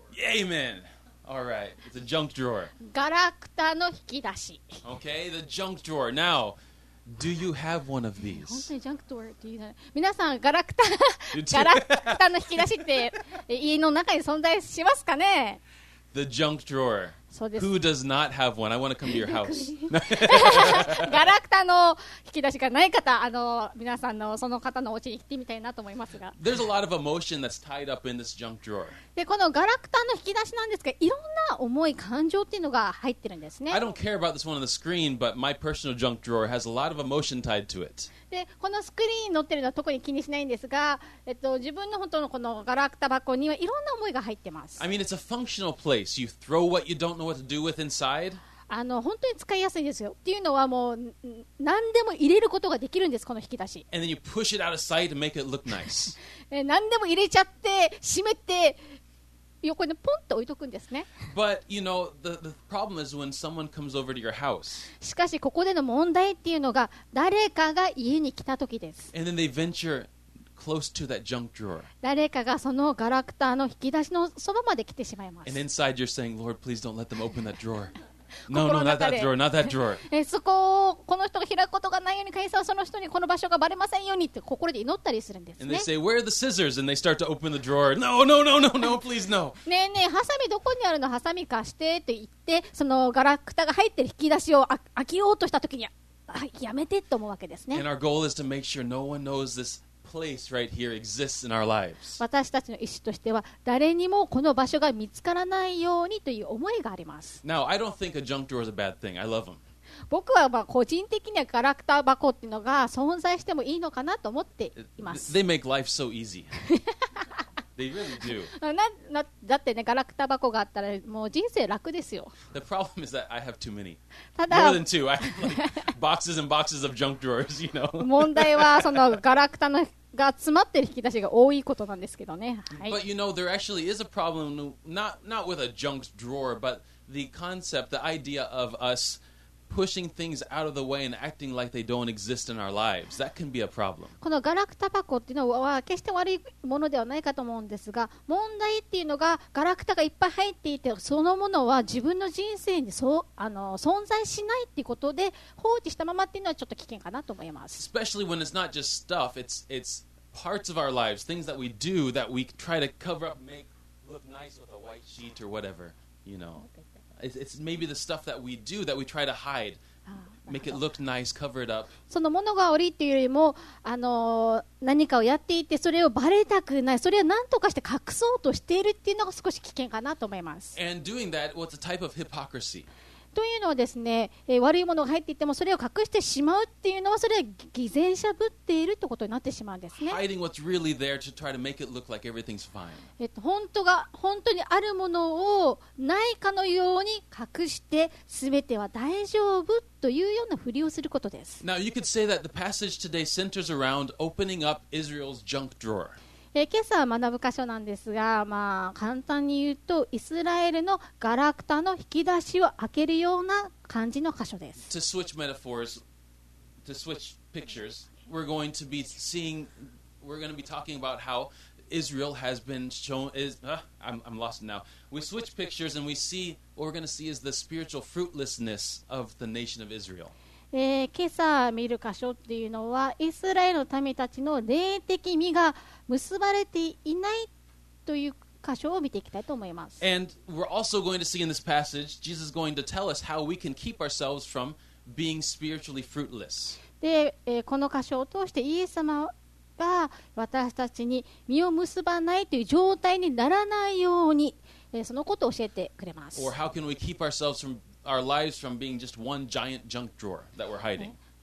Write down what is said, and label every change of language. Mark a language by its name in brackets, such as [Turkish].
[English] Amen! Alright, it's a junk drawer. [Japanese] ガラクタの引き出し。 [English] Okay, the junk drawer. Now, do you have one of these? [Japanese] 本当にジャンクドアって言うじゃない。皆さん、ガラクタ、ガラクタの引き出しって家の中に存在しますかね？ [English] The junk drawer. Who does not have one? I want to come to your house. [Japanese] ガラクタの引き出しがない方、皆さんのその方のお家に来てみたいなと思いますが。 [English] There's a lot of emotion that's tied up in this junk drawer. [Japanese] で、このガラクタの引き出しなんですが、いろんな思い、感情っていうのが入ってるんですね。 [English] I don't care about this one on the screen, but my personal junk drawer has a lot of emotion tied to it. [Japanese] でこのスクリーンに載ってるのは特に気にしないんですが、自分の本当のこのガラクタ箱にはいろんな思いが入ってます。 [English] I mean, it's a functional place. You throw what you don't know what to do with inside. [Japanese] 本当に使いやすいんですよ。っていうのはもう何でも入れることができるんです、この引き出し。 [English] And then you push it out of sight to make it look nice. [Japanese] 何でも入れちゃって閉めて横にポンと置いとくんですね。 [English] But, you know, the problem is when someone comes over to your house. [Japanese] しかしここでの問題っていうのが誰かが家に来た時です。 [English] And then they venture close to that junk drawer. [Japanese] 誰かがそのガラクタの引き出しのそばまで来てしまいます。 [English] And inside you're saying, Lord, please don't let them open that drawer. No, no, not that drawer, not that drawer. [Japanese] そこをこの人が開くことがないように、会社はその人にこの場所がバレませんようにって心で祈ったりするんですね。 [English] And they say, where are the scissors? And they start to open the drawer. No, no, no, no, no, please, no. [Japanese] ねえねえ、ハサミどこにあるの？ハサミ貸してって言って、そのガラクタが入ってる引き出しを開けようとしたときに、やめてって思うわけですね。 [English] And our goal is to make sure no one knows this. Place right here exists in our lives. [Japanese] 私たちの意思としては誰にもこの場所が見つからないようにという思いがあります。 [English] Now, I don't think a junk drawer is a bad thing. I love them. [Japanese] 僕はまあ個人的にはガラクタ箱っていうのが存在してもいいのかなと思っています。 [English] They make life so easy. They really do. [Japanese] だってね、ガラクタ箱があったらもう人生楽ですよ。 [English] The problem is that I have too many. More than two. I have like boxes and boxes of junk drawers, you know. [Japanese] 問題はそのガラクタのが詰まってる引き出しが多いことなんですけどね、はい、 [English] But you know, there actually is a problem not with a junk drawer, but the concept, the idea of us pushing things out of the way and acting like they don't exist in our lives. That can be a problem. [Japanese] このガラクタ箱っていうのは決して悪いものではないかと思うんですが、問題っていうのがガラクタがいっぱい入っていて、そのものは自分の人生にそう存在しないっていうことで放置したままっていうのはちょっと危険かなと思います。 [English] Especially when it's not just stuff, it's parts of our lives, things that we do that we try to cover up, make look nice with a white sheet or whatever, you know. It's maybe the stuff that we do that we try to hide, make it look nice, cover it up. [Japanese] そのものが悪いっていうよりも、何かをやっていてそれをバレたくない、それを何とかして隠そうとしているっていうのが少し危険かなと思います。 [English] And doing that, what's a type of hypocrisy? [Japanese] というのはですね、悪いものが入っていてもそれを隠してしまうっていうのはそれは偽善者ぶっているってことになってしまうんですね。 [English] Hiding what's really there to try to make it look like everything's fine. [Japanese] 本当にあるものをないかのように隠して全ては大丈夫というようなふりをすることです。 [English] Now you could say that the passage today centers around opening up Israel's junk drawer. [Japanese] 今朝学ぶ箇所なんですが、まあ、簡単に言うとイスラエルのガラクタの引き出しを開けるような感じの箇所です。 [English] To switch metaphors, to switch pictures, we're going to be seeing, we're going to be talking about how Israel has been shown, I'm lost now. We switch pictures and we see, what we're going to see is the spiritual fruitlessness of the nation of Israel. [Japanese] 今朝見る箇所っていうのはイスラエルの民たちの霊的実が結ばれていないという箇所を見ていきたいと思います。 [English] And we're also going to see in this passage Jesus going to tell us how we can keep ourselves from being spiritually fruitless. [Japanese] で、この箇所を通してイエス様が私たちに実を結ばないという状態にならないように、そのことを教えてくれます。 [English] Or how can we keep ourselves fromOur lives from being just one giant junk drawer that we're hiding.